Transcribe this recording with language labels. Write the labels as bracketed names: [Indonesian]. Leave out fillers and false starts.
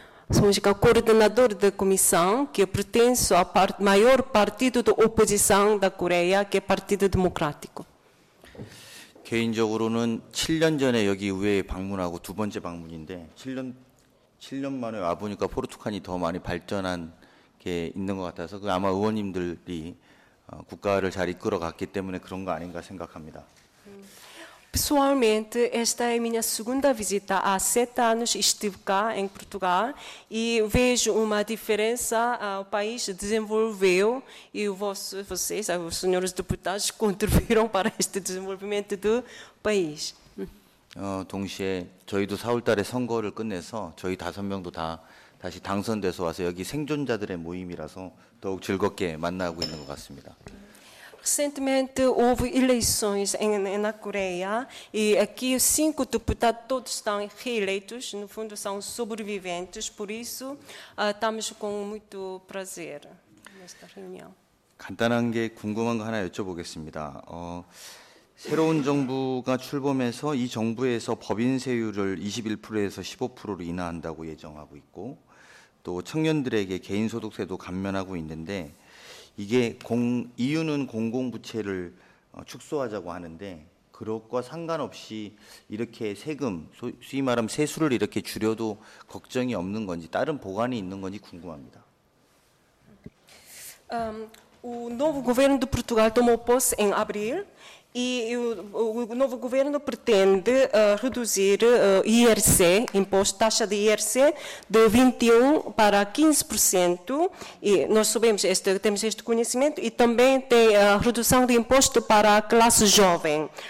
[Portuguese] 송식강 coordenador da comissão que pertence ao maior partido da oposição da Coreia, que é Partido Democrático. [Korean] 개인적으로는 7년 전에 여기 우회 방문하고 두 번째 방문인데 7년 만에 와 보니까 포르투갈이 더 많이 발전한 게 있는 것 같아서 그 아마 의원님들이 국가를 잘 이끌어 갔기 때문에 그런 거 아닌가 생각합니다. [Portuguese] Pessoalmente, esta é a minha segunda visita. Há 7 anos estive cá, em Portugal, e vejo uma diferença. O país desenvolveu e vocês, os senhores deputados, contribuíram para este desenvolvimento do país. [Korean] 동시에 저희도 4월 달에 선거를 끝내서 저희 다섯 명도 다 다시 당선돼서 와서 여기 생존자들의 모임이라서 더욱 즐겁게 만나고 있는 것 같습니다. [Portuguese] Recentemente houve eleições na Coreia e aqui os cinco deputados todos estão reeleitos, no fundo são sobreviventes, por isso estamos com muito prazer nesta reunião. [Korean] 간단한 게 궁금한 거 하나 여쭤보겠습니다. 새로운 정부가 출범해서 이 정부에서 법인세율을 21%에서 15%로 인하한다고 예정하고 있고 또 청년들에게 개인소득세도 감면하고 있는데 이게 이유는 공공부채를 축소하자고 하는데 그것과 상관없이 이렇게 세금, 소위 말하면 세수를 이렇게 줄여도 걱정이 없는 건지 다른 보관이 있는 건지 궁금합니다. [Portuguese] O novo governo de Portugal tomou posse em abril e o novo governo pretende reduzir IRC, imposto, taxa de IRC, de 21% para 15%. E nós sabemos, temos este conhecimento e também tem a redução de imposto para a classe jovem.